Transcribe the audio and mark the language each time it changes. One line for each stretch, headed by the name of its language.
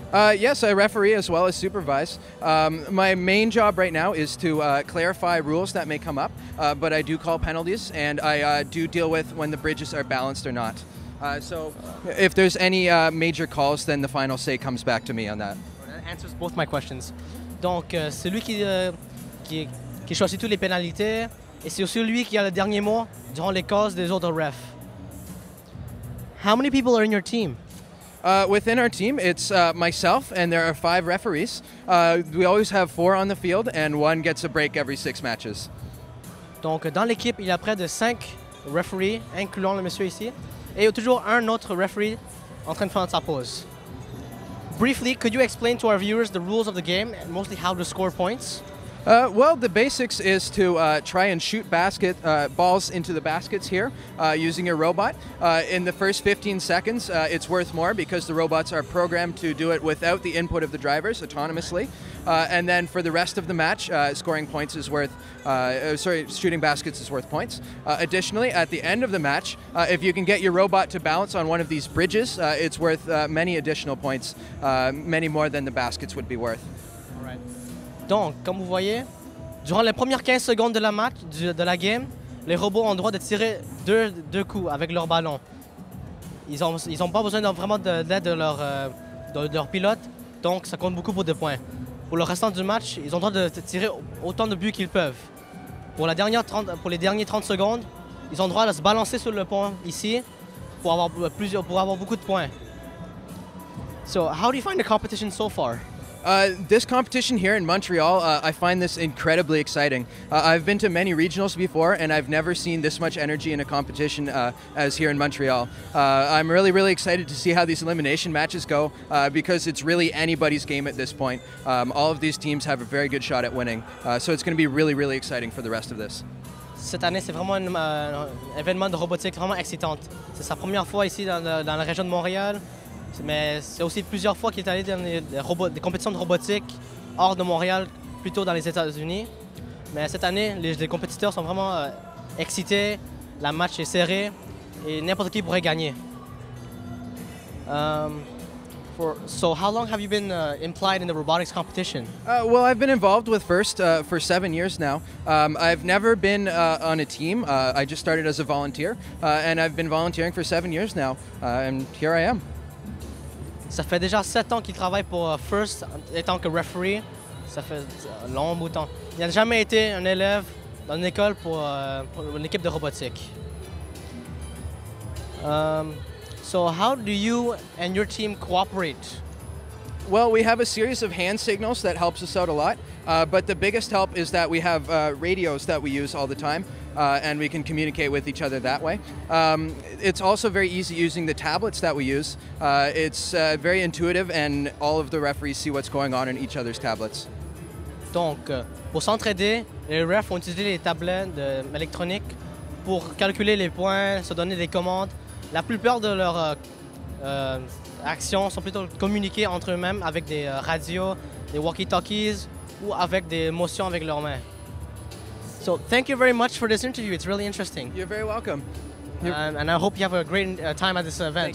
English: Yes, I referee as well as supervise. My main job right now is to clarify rules that may come up, but I do call penalties and I do deal with when the bridges are balanced or not. So if there's any major calls, then the final say comes back to me on that. That answers both my questions.
French: Donc, c'est lui qui choisit toutes les pénalités et c'est aussi lui qui a le dernier mot durant les calls des autres refs.
English: How many people are in your team? Within our team, it's myself and there are 5 referees. We always have 4 on the field and 1 gets a break every 6 matches.
French: Donc, dans l'équipe, il y a près de 5 referees, incluant le monsieur ici. Et toujours un autre referee en train de faire sa pause.
English: Briefly, could you explain to our viewers the rules of the game, and mostly how to score points? Well, the basics is to try and shoot basket balls into the baskets here using your robot. In the first 15 seconds, it's worth more because the robots are programmed to do it without the input of the drivers autonomously. And then for the rest of the match, shooting baskets is worth points. Additionally, at the end of the match, if you can get your robot to balance on one of these bridges, it's worth many additional points, many more than the baskets would be worth.
French: Donc, comme vous voyez, durant les premières 15 secondes de la match, de la game, les robots ont le droit de tirer deux coups avec leur ballon. Ils ont pas besoin vraiment de l'aide de leur pilote, donc ça compte beaucoup pour des points. Pour le restant du match, ils ont le droit de tirer autant de buts qu'ils peuvent. Pour les dernières 30 secondes, ils ont le droit de se balancer sur le pont ici pour avoir beaucoup de points.
English: So, how do you find the competition so far? This competition here in Montreal, I find this incredibly exciting. I've been to many regionals before and I've never seen this much energy in a competition as here in Montreal. I'm really, really excited to see how these elimination matches go because it's really anybody's game at this point. All of these teams have a very good shot at winning. So it's going to be really, really exciting for the rest of this.
French: Cette année, c'est vraiment un événement de robotique vraiment excitant. C'est sa première fois ici dans la région de Montréal. Mais c'est aussi plusieurs fois qu'il est allé dans des compétitions de robotique hors de Montréal, plutôt dans les États-Unis. Mais cette année, les compétiteurs sont vraiment excités, la match est serrée et n'importe qui pourrait gagner.
English: So how long have you been implied in the robotics competition? Well, I've been involved with FIRST for 7 years now. I've never been on a team. I just started as a volunteer and I've been volunteering for 7 years now. And here I am.
French: Ça fait déjà 7 ans qu'il travaille pour FIRST en tant que referee. Ça fait un long bout de temps. Il n'a jamais été un élève dans une école pour une équipe de robotique.
English: So how do you and your team cooperate? Well, we have a series of hand signals that helps us out a lot. But the biggest help is that we have radios that we use all the time. And we can communicate with each other that way. It's also very easy using the tablets that we use. It's very intuitive and all of the referees see what's going on in each other's tablets.
French: Donc, pour s'entraider, les refs ont utilisé les tablettes électroniques pour calculer les points, se donner des commandes. La plupart de leurs actions sont plutôt communiquées entre eux-mêmes avec des radios, des walkie-talkies ou avec des motions avec leurs mains.
English: So thank you very much for this interview. It's really interesting. You're very welcome. And I hope you have a great time at this event.